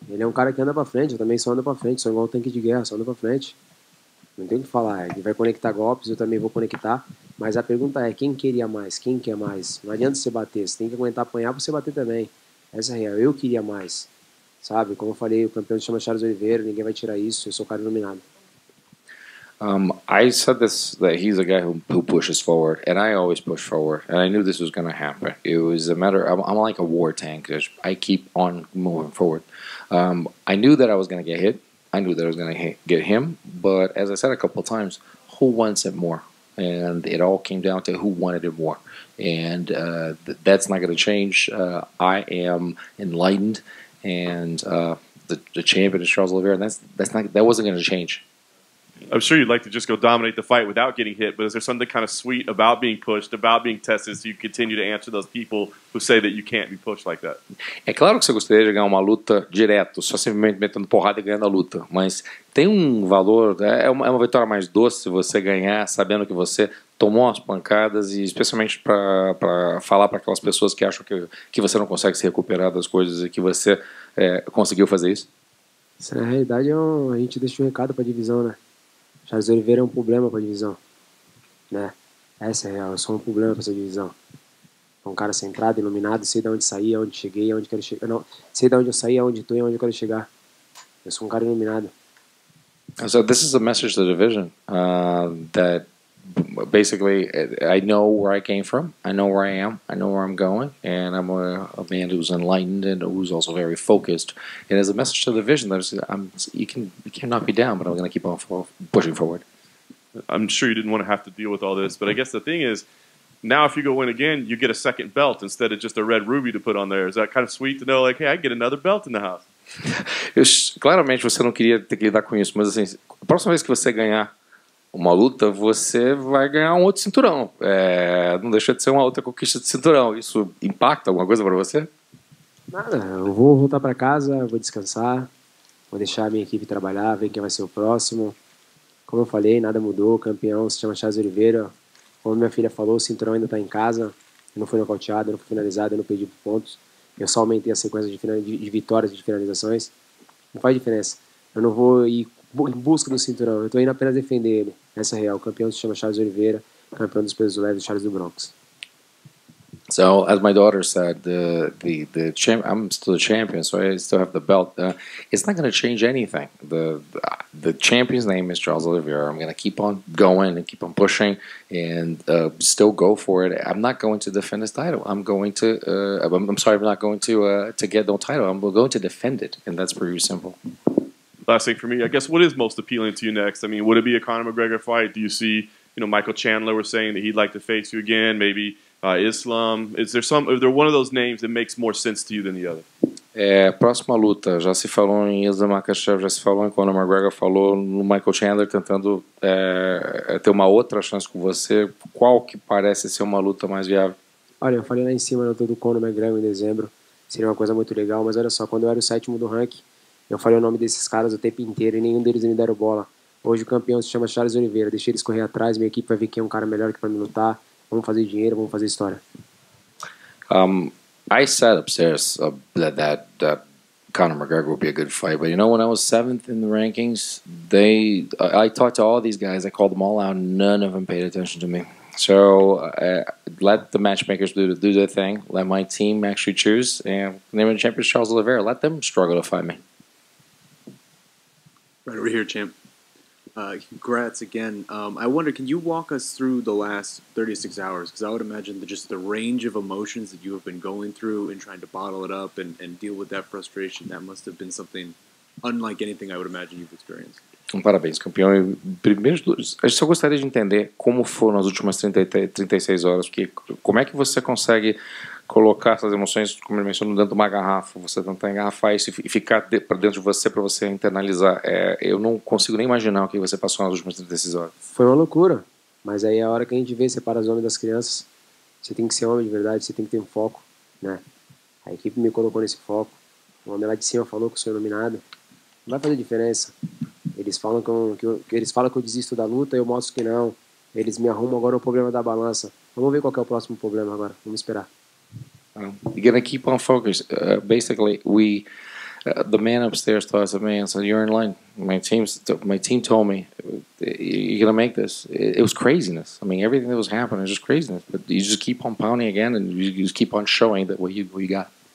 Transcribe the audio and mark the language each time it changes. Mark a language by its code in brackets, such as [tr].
[pt] Ele é um cara que anda para frente. Eu também só ando para frente. Sou igual um tanque de guerra, só ando para frente. Não tem o que falar. Ele vai conectar golpes, eu também vou conectar. Mas a pergunta é quem queria mais, quem quer mais. Não adianta você bater. Você tem que aguentar apanhar para você bater também. Essa é a real, eu queria mais, sabe? Como eu falei, o campeão se chama Charles Oliveira, ninguém vai tirar isso, eu sou o cara iluminado. [en] I said this, that he's a guy who pushes forward, and I always push forward, and I knew this was going to happen. It was a matter, I'm like a war tank, I keep on moving forward. I knew that I was going to get hit, I knew that I was going to get him, but as I said a couple of times, who wants it more? And it all came down to who wanted it more. And that's not going to change. I am enlightened, and the champion is Charles Oliveira. That wasn't going to change. I'm sure you'd like to just go dominate the fight without getting hit, but is there something kind of sweet about being pushed, about being tested, so you continue to answer those people who say that you can't be pushed like that? [pt] É claro que você gostaria de ganhar uma luta direto, só simplesmente metendo porrada e ganhando a luta. Mas tem um valor, é uma vitória mais doce você ganhar sabendo que você tomou as pancadas, e especialmente para falar para aquelas pessoas que acham que você não consegue se recuperar das coisas e que você conseguiu fazer isso. Isso na realidade a gente deixa um recado para a divisão, né? Charles Oliveira é um problema para a divisão, né? Essa é a real, eu sou um problema para essa divisão. Um cara centrado, iluminado, sei de onde saí, aonde cheguei, aonde quero chegar. Não, sei de onde eu saí, aonde estou e aonde eu quero chegar. Eu sou um cara iluminado. [en] So this is a message to the division, that basically I know where I came from, I know where I am, I know where I'm going, and I'm a man who's enlightened and who's also very focused. And as a message to the division, that you cannot be down, but I'm going to keep on pushing forward. I'm sure you didn't want to have to deal with all this, but I guess the thing is, now if you go in again, you get a second belt instead of just a red ruby to put on there. Is that kind of sweet to know, like, hey, I get another belt in the house? [pt] Claramente você não queria ter que lidar com isso, mas assim, a próxima vez que você ganhar uma luta, você vai ganhar um outro cinturão. É, não deixa de ser uma outra conquista de cinturão. Isso impacta alguma coisa para você? Nada. Eu vou voltar para casa, vou descansar, vou deixar a minha equipe trabalhar, ver quem vai ser o próximo. Como eu falei, nada mudou. Campeão se chama Charles Oliveira. Como minha filha falou, o cinturão ainda está em casa. Eu não fui nocauteado, eu não fui finalizado, eu não perdi pontos. Eu só aumentei a sequência de vitórias e de finalizações. Não faz diferença. Eu não vou ir em busca do cinturão. Eu tô indo apenas defender ele. Essa é a real. O campeão se chama Charles Oliveira. Campeão dos pesos leves, Charles do Bronx. [en] So, as my daughter said, I'm still a champion, so I still have the belt. It's not going to change anything. The champion's name is Charles Oliveira. I'm going to keep on going and keep on pushing and still go for it. I'm not going to defend this title. I'm not going to get no title. I'm going to defend it, and that's pretty simple. Last thing for me, I guess, what is most appealing to you next? I mean, would it be a Conor McGregor fight? Do you see, you know, Michael Chandler was saying that he'd like to face you again, maybe... Islam, is there one of those names that makes more sense to you than the other? [pt] É, próxima luta, já se falou em Islam Makhachev, já se falou em Conor McGregor, falou no Michael Chandler tentando ter uma outra chance com você. Qual que parece ser uma luta mais viável? Olha, eu falei lá em cima na luta do Conor McGregor em dezembro, seria uma coisa muito legal, mas olha só, quando eu era o sétimo do ranking, eu falei o nome desses caras o tempo inteiro e nenhum deles me deram bola. Hoje o campeão se chama Charles Oliveira, deixei eles correr atrás, minha equipe vai ver quem é um cara melhor que pra me lutar. Vamos fazer dinheiro, vamos fazer história. [en] I said upstairs that Conor McGregor would be a good fight, but you know, when I was seventh in the rankings, I talked to all these guys, I called them all out, none of them paid attention to me. So let the matchmakers do their thing, let my team actually choose, and name of the champion is Charles Oliveira. Let them struggle to fight me. Right over here, champ. Congrats again. I wonder, can you walk us through the last 36 hours? Because I would imagine that just the range of emotions that you have been going through and trying to bottle it up and deal with that frustration, that must have been something unlike anything I would imagine you've experienced. [pt] Parabéns, campeão. Primeiro, eu só gostaria de entender como foram as últimas 36 horas, porque como é que você consegue colocar essas emoções, como eu mencionei, dentro de uma garrafa, você tentar engarrafar isso e ficar para dentro de você, para você internalizar. Eu não consigo nem imaginar o que você passou nas últimas 36 horas. Foi uma loucura, mas aí é a hora que a gente vê, separa os homens das crianças, você tem que ser homem de verdade, você tem que ter um foco, né? A equipe me colocou nesse foco, o homem lá de cima falou que eu sou iluminado, não vai fazer diferença. Eles falam que eu desisto da luta, eu mostro que não, eles me arrumam agora o problema da balança. Vamos ver qual que é o próximo problema agora, vamos esperar. [en] You're gonna keep on focus. Basically, the man upstairs talks to me and said, "You're in line." My team told me, "You're gonna make this." It was craziness. I mean, everything that was happening was just craziness. But you just keep on pounding again, and you just keep on showing that what you got.